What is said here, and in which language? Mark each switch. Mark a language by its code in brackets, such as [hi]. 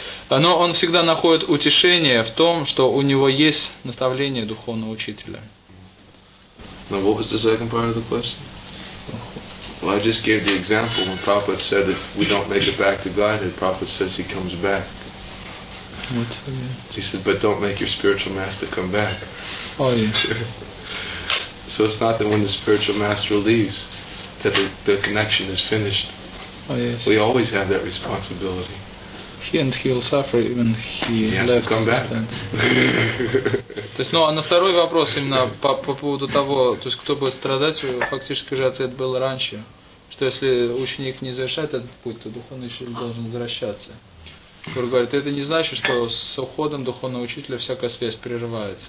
[ru] Но он всегда находит утешение в том, что у него есть наставление духовного учителя. [en] Now, what was the second part of the question? Well, I just gave the example when Prabhupada said if we don't make it back to Godhead, Prabhupada says he comes back. What? He said, but don't make your spiritual master come back. Oh, yeah. So it's not that when the spiritual master leaves that the connection is finished. Oh, yes. We always have that responsibility. He'll suffer even he has to come back. [ru] То есть, ну, а на второй вопрос именно по поводу того, то есть, кто будет страдать, фактически же ответ был раньше, что если ученик не завершает этот путь, то духовный учитель должен возвращаться. Который говорит, это не значит, что с уходом духовного учителя всякая связь прерывается.